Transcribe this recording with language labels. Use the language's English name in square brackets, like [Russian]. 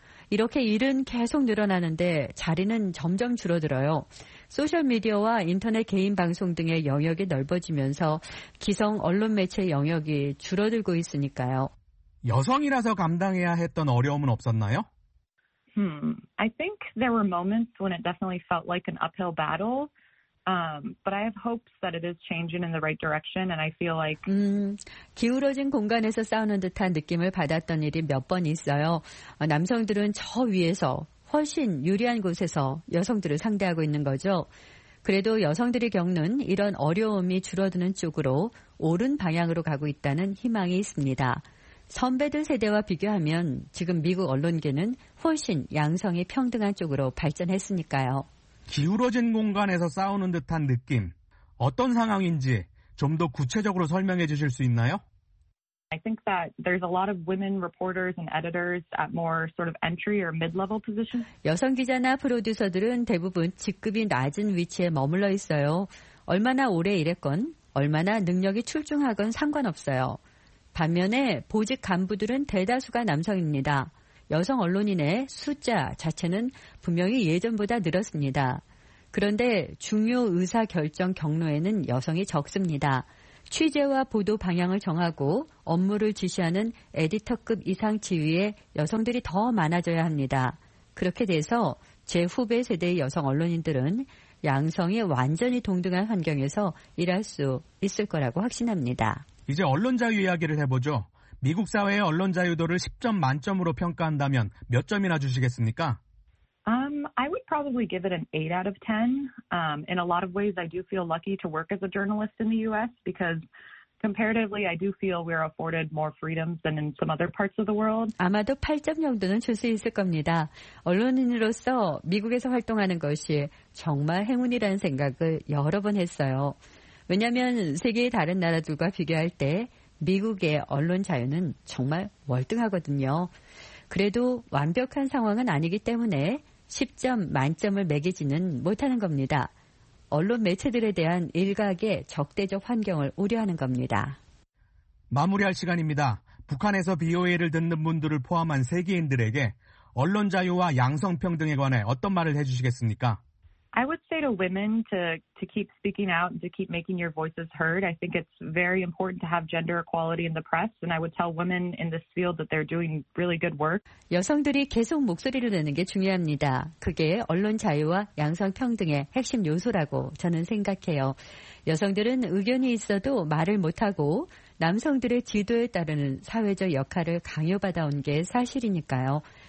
[Korean] 이렇게 일은 계속 늘어나는데 자리는 점점 줄어들어요. 소셜미디어와 인터넷 개인 방송 등의 영역이 넓어지면서 기성 언론 매체 영역이 줄어들고 있으니까요. 여성이라서 감당해야 했던 어려움은 없었나요? [English] I think there were moments when it definitely felt like an uphill battle. But I have hopes that it is changing in the right direction, and I feel like [Korean] 기울어진 공간에서 싸우는 듯한 느낌을 받았던 일이 몇 번 있어요. 남성들은 저 위에서 훨씬 유리한 곳에서 여성들을 상대하고 있는 거죠. 그래도 여성들이 겪는 이런 어려움이 줄어드는 쪽으로 옳은 방향으로 가고 있다는 희망이 있습니다. 선배들 세대와 비교하면 지금 미국 언론계는 훨씬 양성이 평등한 쪽으로 발전했으니까요. 기울어진 공간에서 싸우는 듯한 느낌, 어떤 상황인지 좀 더 구체적으로 설명해 주실 수 있나요? [English] I think that there's a lot of women reporters and editors at more sort of entry or mid-level positions. [Korean] 여성 기자나 프로듀서들은 대부분 직급이 낮은 위치에 머물러 있어요. 얼마나 오래 일했건, 얼마나 능력이 출중하건 상관없어요. 반면에 보직 간부들은 대다수가 남성입니다. 여성 언론인의 숫자 자체는 분명히 예전보다 늘었습니다. 그런데 중요 의사 결정 경로에는 여성이 적습니다. 취재와 보도 방향을 정하고 업무를 지시하는 에디터급 이상 지위에 여성들이 더 많아져야 합니다. 그렇게 돼서 제 후배 세대의 여성 언론인들은 양성이 완전히 동등한 환경에서 일할 수 있을 거라고 확신합니다. 이제 언론 자유 이야기를 해보죠. 미국 사회의 언론 자유도를 10점 만점으로 평가한다면 몇 점이나 주시겠습니까? [English] I would probably give it an 8 out of 10. In a lot of ways, I do feel lucky to work as a journalist in the U.S. because comparatively, I do feel we're afforded more freedoms than in some other parts of the world. [Korean] 아마도 8점 정도는 줄 수 있을 겁니다. 언론인으로서 미국에서 활동하는 것이 정말 행운이라는 생각을 여러 번 했어요. 왜냐하면 세계의 다른 나라들과 비교할 때 미국의 언론 자유는 정말 월등하거든요. 그래도 완벽한 상황은 아니기 때문에 10점 만점을 매기지는 못하는 겁니다. 언론 매체들에 대한 일각의 적대적 환경을 우려하는 겁니다. 마무리할 시간입니다. 북한에서 BOA를 듣는 분들을 포함한 세계인들에게 언론 자유와 양성평등에 관해 어떤 말을 해주시겠습니까? [English] I would say to women to keep speaking out and to keep making your voices heard. I think it's very important to have gender equality in the press, and I would tell women in this field that they're doing really good work. [Korean] 여성들이 계속 목소리를 내는 게 중요합니다. 그게 언론 자유와 양성평등의 핵심 요소라고 저는 생각해요. 여성들은 의견이 있어도 말을 못하고 남성들의 지도에 따르는 사회적 역할을 강요받아온 게 사실이니까요.